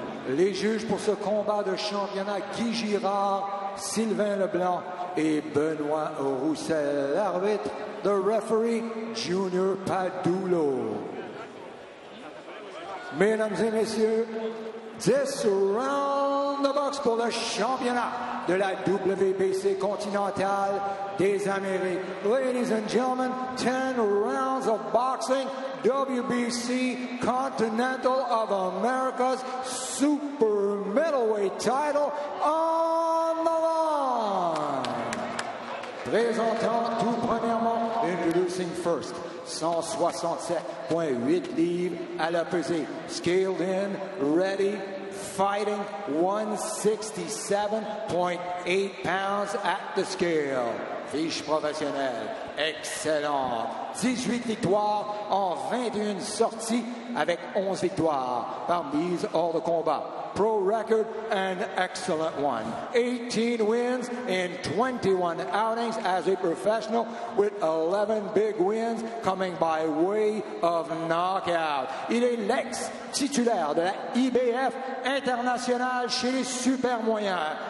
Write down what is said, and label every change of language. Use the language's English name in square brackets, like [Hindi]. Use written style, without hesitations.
[French] Les juges pour ce combat de championnat, Guy Girard, Sylvain Leblanc et Benoît Roussel. L'arbitre, [English] the referee, [French] Junior Padulo. Mesdames et messieurs, 10 rounds de boxe pour le championnat de la WBC continentale des Amériques. [English] Ladies and gentlemen, 10 rounds of boxing. WBC Continental of America's Super Middleweight Title on the line. [French] Présentant tout premièrement, [English] introducing first, [French] 167.8 livres à la pesée. [English] Scaled in, ready, fighting 167.8 pounds at the scale. [French] Fiche professionnelle. Excellent. 18 victoires en 21 sorties avec 11 victoires par mise hors de combat. [English] Pro record, an excellent one. 18 wins in 21 outings as a professional with 11 big wins coming by way of knockout. [French] Il est l'ex-titulaire de la IBF internationale chez les super moyens.